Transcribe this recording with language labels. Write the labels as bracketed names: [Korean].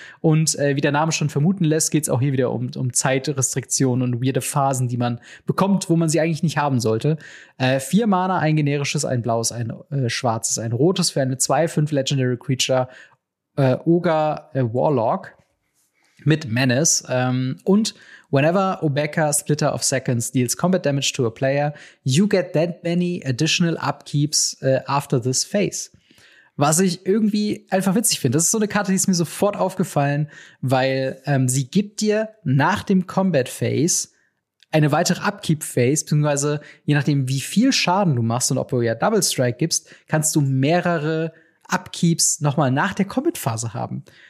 [German] Und wie der Name schon vermuten lässt, geht es auch hier wieder um Zeitrestriktionen und weirde Phasen, die man bekommt, wo man sie eigentlich nicht haben sollte. 4 Mana, ein generisches, ein blaues, ein schwarzes, ein rotes für eine 2/5 Legendary Creature, Ogre Warlock. Mit Menace. [English] Und whenever Obeka Splitter of Seconds deals combat damage to a player, you get that many additional upkeeps after this phase. [German] Was ich irgendwie einfach witzig finde. Das ist so eine Karte, die ist mir sofort aufgefallen, weil sie gibt dir nach dem Combat Phase eine weitere Upkeep Phase, beziehungsweise je nachdem, wie viel Schaden du machst und ob du ja Double Strike gibst, kannst du mehrere Upkeeps nochmal nach der Combat Phase haben.